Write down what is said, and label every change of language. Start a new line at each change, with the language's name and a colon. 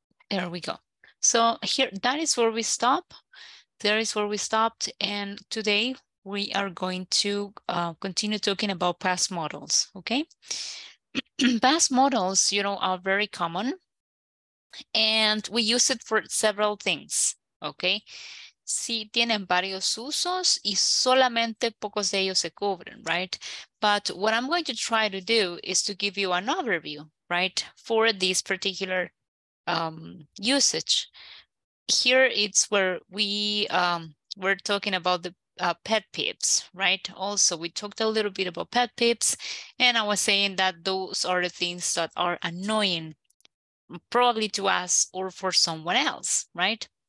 English: There we go. So here, that is where we stop. There is where we stopped. And today we are going to continue talking about past models, okay? Past models, you know, are very common, and we use it for several things, okay?
Spanish: Sí, tienen varios usos y solamente pocos de ellos se cubren,
English: right? But what I'm going to try to do is to give you an overview, right, for this particular usage. Here it's where we were talking about the pet peeves, right? Also, we talked a little bit about pet peeves, and I was saying that those are the things that are annoying, probably to us or for someone else, right?